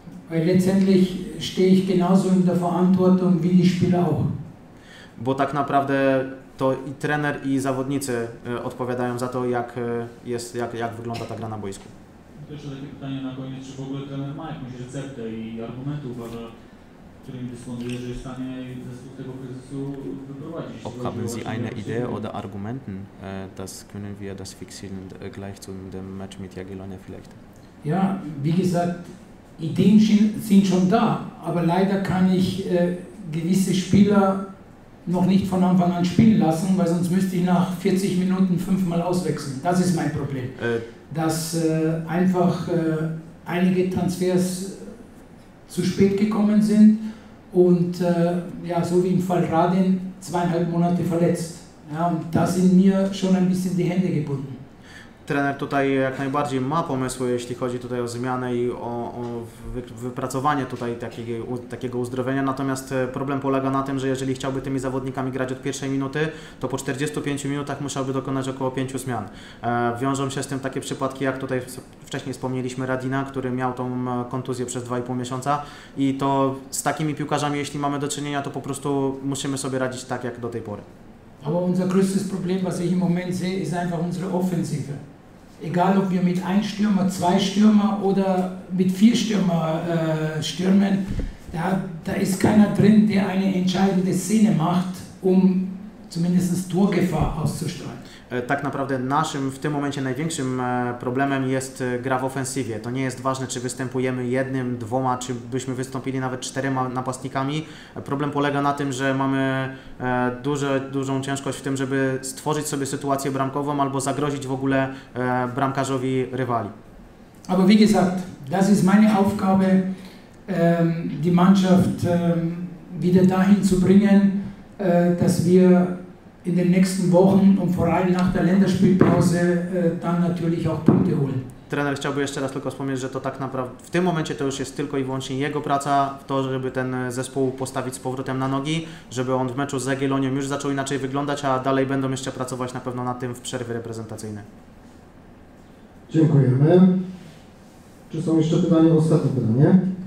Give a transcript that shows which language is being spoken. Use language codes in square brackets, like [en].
[de] Weil letztendlich stehe ich genauso in der Verantwortung wie die Spieler auch. [pl] Bo tak naprawdę to i trener i zawodnicy odpowiadają za to, jak wygląda ta gra na boisku. Jeszcze takie pytanie na koniec, czy w ogóle trener ma jakąś receptę i argumenty uważa, którymi dysponuje, że jest w stanie zespół tego kryzysu wyprowadzić? [de] Ob haben Sie eine Idee oder Argumenten, das können wir das fixieren gleich zu dem Match mit Jagiellonia vielleicht? Ja, wie gesagt, Ideen sind schon da, aber leider kann ich gewisse Spieler noch nicht von Anfang an spielen lassen, weil sonst müsste ich nach 40 Minuten fünfmal auswechseln. Das ist mein Problem. Dass einfach einige Transfers zu spät gekommen sind und ja, so wie im Fall Radin 2,5 Monate verletzt. Ja, und da sind mir schon ein bisschen die Hände gebunden. [pl] trener tutaj jak najbardziej ma pomysły, jeśli chodzi tutaj o zmianę i o wypracowanie tutaj takiego uzdrowienia. Natomiast problem polega na tym, że jeżeli chciałby tymi zawodnikami grać od pierwszej minuty, to po 45 minutach musiałby dokonać około 5 zmian. Wiążą się z tym takie przypadki, jak tutaj wcześniej wspomnieliśmy, Radina, który miał tą kontuzję przez 2,5 miesiąca. I to z takimi piłkarzami, jeśli mamy do czynienia, to po prostu musimy sobie radzić tak, jak do tej pory. [de] Aber unser größtes Problem, was ich im Moment sehe, ist einfach unsere Offensive. Egal, ob wir mit einem Stürmer, zwei Stürmer oder mit vier Stürmer stürmen, da ist keiner drin, der eine entscheidende Szene macht, um zumindest Torgefahr auszustrahlen. [pl] Tak naprawdę naszym w tym momencie największym problemem jest gra w ofensywie. To nie jest ważne, czy występujemy jednym, dwoma, czy byśmy wystąpili nawet czterema napastnikami. Problem polega na tym, że mamy dużą ciężkość w tym, żeby stworzyć sobie sytuację bramkową albo zagrozić w ogóle bramkarzowi rywali. [de] Aber wie gesagt, das ist meine Aufgabe, die Mannschaft wieder dahin zu bringen, dass wir in den nächsten Wochen und vor allem nach der Länderspielpause dann natürlich auch Punkte holen. [pl] Trener chciałby jeszcze raz tylko wspomnieć, że to tak naprawdę w tym momencie to już jest tylko i wyłącznie jego praca, to żeby ten zespół postawić z powrotem na nogi, żeby on w meczu z Jagiellonią już zaczął inaczej wyglądać, a dalej będą jeszcze pracować na pewno nad tym w przerwie reprezentacyjnej. Dziękujemy. Czy są jeszcze pytania? Ostatnie pytanie.